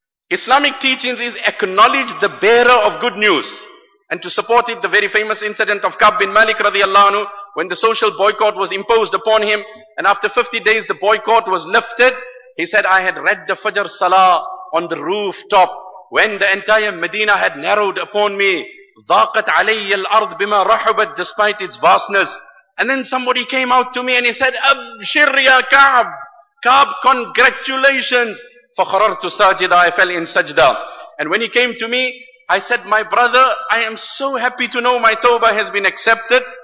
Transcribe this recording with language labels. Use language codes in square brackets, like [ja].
[en] Islamic teachings is acknowledge the bearer of good news. And to support it, the very famous incident of Ka'b bin Malik radiallahu anhu, when the social boycott was imposed upon him, and after 50 days the boycott was lifted, he said, I had read the Fajr Salah on the rooftop when the entire Medina had narrowed upon me. [ar] ضاقت علي الأرض بما رحبت, [en] despite its vastness. And then somebody came out to me and he said, [ar] أبشر يا كعب, كعب, [en] congratulations. [ar] فخررت ساجدا, [en] I fell in sajda. And when he came to me, I said, my brother, I am so happy to know my tawbah has been accepted.